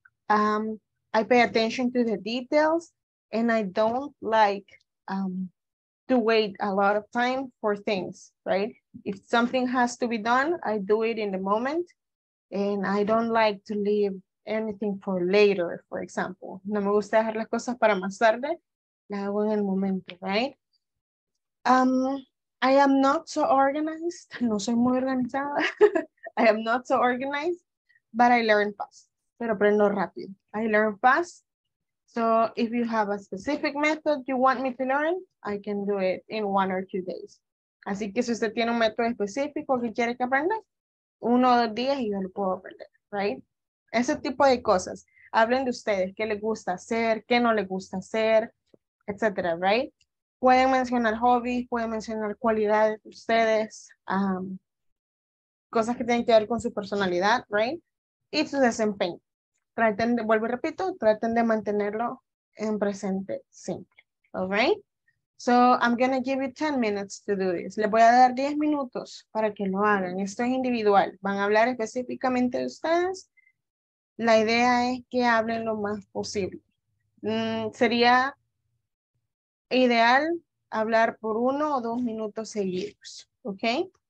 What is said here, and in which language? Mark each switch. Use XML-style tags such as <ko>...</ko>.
<en>I pay attention to the details and I don't like to wait a lot of time for things, right? If something has to be done, I do it in the moment. And I don't like to leave anything for later, for example.</en> <es>No me gusta dejar las cosas para más tarde. La hago en el momento, right?</es> <en>I am not so organized.</en> <es>No soy muy organizada.</es> <en>I am not so organized, but I learn fast.</en> <es>Pero aprendo rápido.</es> <en>I learn fast. So if you have a specific method you want me to learn, I can do it in 1 or 2 days.</en> <es>Así que si usted tiene un método específico que quiere que aprenda, 1 o 2 días y yo lo puedo aprender, right? Ese tipo de cosas. Hablen de ustedes, qué les gusta hacer, qué no les gusta hacer, etc., right? Pueden mencionar hobbies, pueden mencionar cualidades de ustedes, cosas que tienen que ver con su personalidad, right? Y su desempeño. Traten de, vuelvo y repito, traten de mantenerlo en presente simple. All right?</es> <en>So I'm going to give you 10 minutes to do this.</en> <es>Le voy a dar 10 minutos para que lo hagan. Esto es individual. Van a hablar específicamente de ustedes. La idea es que hablen lo más posible. Sería ideal hablar por 1 o 2 minutos seguidos. Okay?</es>